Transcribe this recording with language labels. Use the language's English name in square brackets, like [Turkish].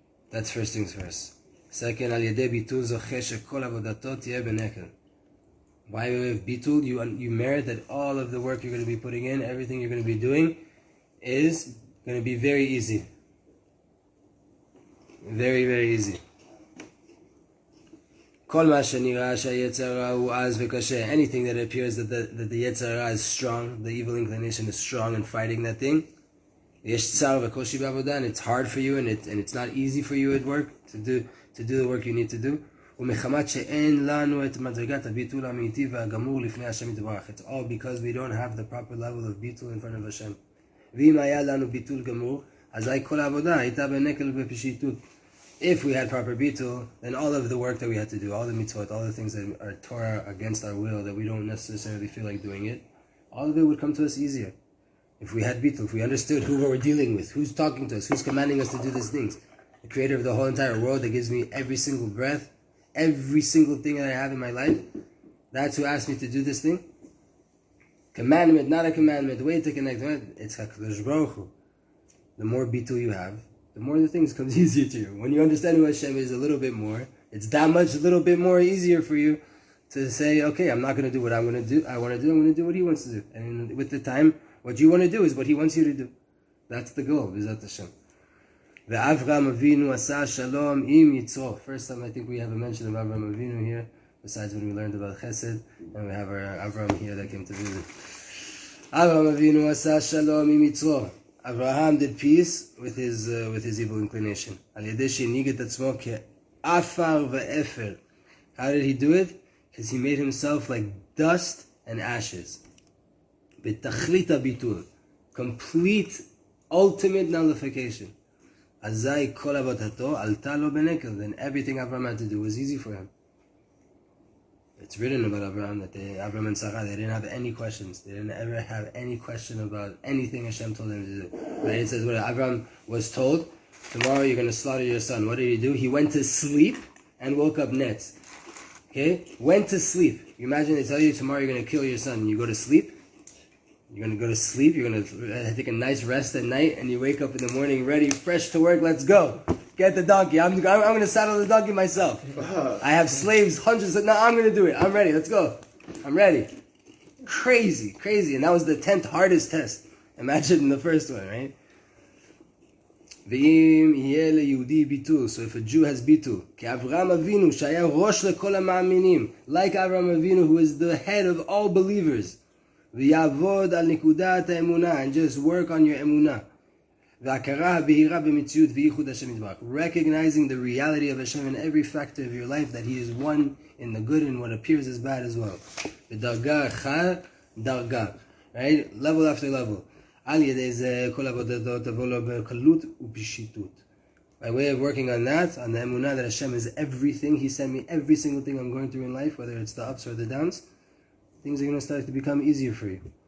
[English] That's first things first. Second, [Hebrew] al yedei bitul zoche shekol avodato tiyeh benekel. [English] By way of Bitul, you merit that all of the work you're going to be putting in, everything you're going to be doing, is going to be very easy. Very, very easy. [Hebrew] כל מה שנראה שהיצר הוא עז וקשה. [English] Anything that appears that the יצר is strong, the evil inclination is strong and fighting that thing. [Hebrew] יש צער וקושי בעבודה, [English] and it's hard for you, and it's not easy for you at work to do the work you need to do. [Hebrew] ומחמת שאין לנו את מדרגת הביטול האמיתי והגמור לפני השם יתברך. [English] It's all because we don't have the proper level of ביטול in front of Hashem. [Hebrew] ואם היה לנו ביטול גמור, אזי כל העבודה הייתה בנקל ובפשיטות. [English] If we had proper ביטול, then all of the work that we had to do, all the mitzvot, all the things that are Torah against our will, that we don't necessarily feel like doing it, all of it would come to us easier. If we had ביטול, if we understood who we're dealing with, who's talking to us, who's commanding us to do these things, the creator of the whole entire world that gives me every single breath, every single thing that I have in my life, that's who asked me to do this thing. Commandment, not a commandment, way to connect, it's HaKadosh Baruch Hu. The more bitul you have, the more the things come easier to you. When you understand who Hashem is a little bit more, it's that much a little bit more easier for you to say, okay, I'm not going to do what I'm going to do. I want to do, I'm going to do what He wants to do. And with the time, what you want to do is what He wants you to do. That's the goal, Bezat Hashem. [Hebrew] ואברהם אבינו עשה שלום עם יצרו. [English] First time I think we have a mention of Avraham Avinu here, besides when we learned about Chesed, and we have our Avraham here that came to visit. [Hebrew] אברהם אבינו עשה שלום עם יצרו. [English] Avraham did peace with his evil inclination. [Hebrew] על ידי שהנהיג את עצמו כאפר ואפר. [English] How did he do it? Because he made himself like dust and ashes. [Hebrew] בתכלית הביטול. [English] Complete, ultimate nullification. [Hebrew] אזי כל עבודתו עלתה לו בנקל. [English] Then everything Avraham had to do was easy for him. It's written about Avraham that Avraham and Sarah, they didn't have any questions. They didn't ever have any question about anything Hashem told them to do. Right? It says what Avraham was told, tomorrow you're going to slaughter your son. What did he do? He went to sleep and woke up next. Okay? Went to sleep. You imagine they tell you tomorrow you're going to kill your son. You go to sleep. You're going to go to sleep, you're going to take a nice rest at night, and you wake up in the morning ready, fresh to work, let's go. Get the donkey, I'm going to saddle the donkey myself. I have slaves, hundreds, no, I'm going to do it, I'm ready, let's go. I'm ready. Crazy, crazy, and that was the 10th hardest test. Imagine in the first one, right? [Hebrew] ואם יהיה ליהודי ביטול, [English] so if a Jew has ביטול, [Hebrew] כאברהם אבינו שהיה ראש לכל המאמינים, [English] like אברהם אבינו, who is the head of all believers, [Hebrew] ויעבוד על נקודת האמונה, [English] and just work on your אמונה. [Hebrew] והכרה הבהירה במציאות וייחוד השם יתברך. [English] Recognizing the reality of Hashem in every factor of your life, that He is one in the good and what appears as bad as well. [Hebrew] ודרגה אחר דרגה. [English] Right? Level after level. [Hebrew] על ידי זה כל עבודתו תבוא לו בקלות ובשיטות. [English] By way of working on that, on the אמונה that Hashem is everything, He sent me every single thing I'm going through in life, whether it's the ups or the downs, things are going to start to become easier for you.